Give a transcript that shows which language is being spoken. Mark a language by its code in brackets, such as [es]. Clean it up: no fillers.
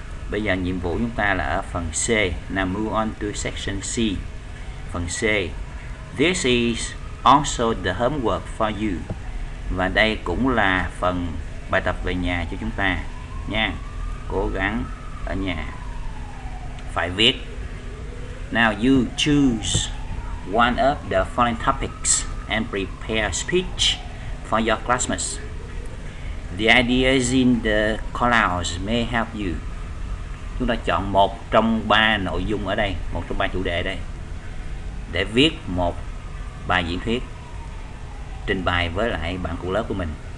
[vi] Bây giờ nhiệm vụ chúng ta là ở phần C. [en] Now move on to section C. [vi] Phần C. [en] This is also the homework for you. [vi] Và đây cũng là phần bài tập về nhà cho chúng ta nha. Cố gắng ở nhà phải viết. [en] Now you choose one of the following topics and prepare a speech for your classmates. The ideas in the clouds may help you. [vi] Chúng ta chọn một trong ba nội dung ở đây, một trong ba chủ đề ở đây để viết một bài diễn thuyết trình bày với lại bạn cùng lớp của mình.